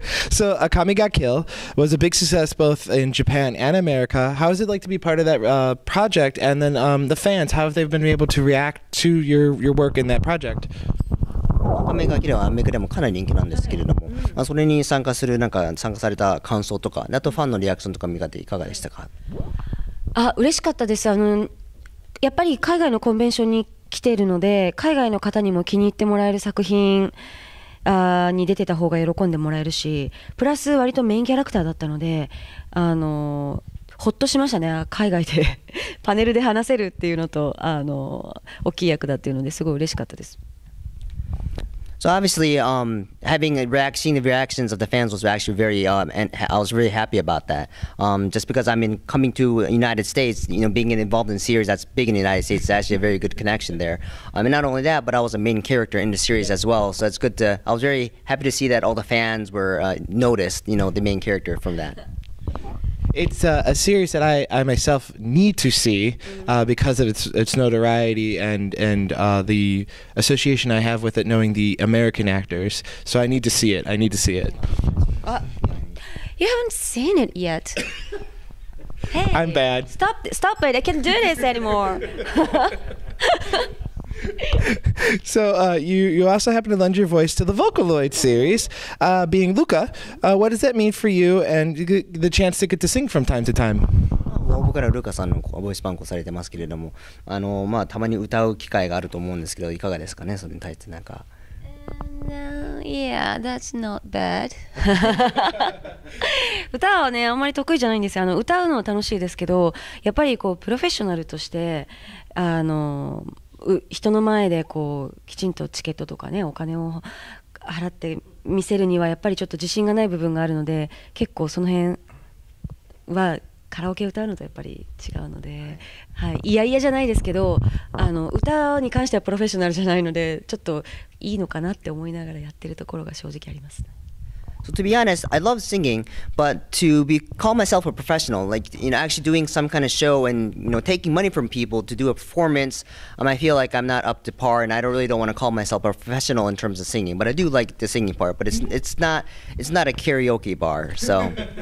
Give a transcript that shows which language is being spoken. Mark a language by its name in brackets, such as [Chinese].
[English] So Akami ga Kill was a big success both in Japan and America. How is it like to be part of that project? And then the fans, how have they been able to react to your work in that project? [Japanese] Akame ga Kill はアメリカでもかなり人気なんですけれども、まあ、それに参加するなんか参加された感想とか、あとファンのリアクションとか見ていかがでしたか？あ、嬉しかったです。あの、やっぱり海外のコンベンションに来ているので、海外の方にも気に入ってもらえる作品に出てた方が喜んでもらえるし、プラス割とメインキャラクターだったので、あの、ほっとしましたね。海外でパネルで話せるっていうのと、あの、大きい役だっていうのですごい嬉しかったです。 [English] So obviously, having seen the reactions of the fans was actually very, and I was really happy about that. Just because I'm coming to United States, you know, being involved in series that's big in the United States is actually a very good connection there. And not only that, but I was a main character in the series as well. So it's good to, I was very happy to see that all the fans were noticed, you know, the main character from that. It's a series that I myself need to see because of its notoriety and the association I have with it, knowing the American actors. So I need to see it. I need to see it. You haven't seen it yet. Hey, I'm bad. Stop it. I can't do this anymore. So you also happen to lend your voice to the Vocaloid series, being Luca. What does that mean for you and the chance to get to sing from time to time? [Japanese] Well, 僕らルカさんのボイスバンクをされてますけれども、あの、まあ、たまに歌う機会があると思うんですけど、いかがですかね、それに対してなんか。 [English] Yeah, that's not bad. [Japanese] 歌はね、あんまり得意じゃないんですよ。あの、歌うのは楽しいですけど、やっぱりこうプロフェッショナルとして、あの、人の前でこうきちんとチケットとかねお金を払って見せるにはやっぱりちょっと自信がない部分があるので結構その辺はカラオケ歌うのとやっぱり違うので、はい、いやいやじゃないですけどあの歌に関してはプロフェッショナルじゃないのでちょっといいのかなって思いながらやってるところが正直あります。 [English] So to be honest, I love singing, but to be call myself a professional, like, you know, actually doing some kind of show and, you know, taking money from people to do a performance, I feel like I'm not up to par, and I don't really don't want to call myself a professional in terms of singing, but I do like the singing part, but it's not a karaoke bar, so.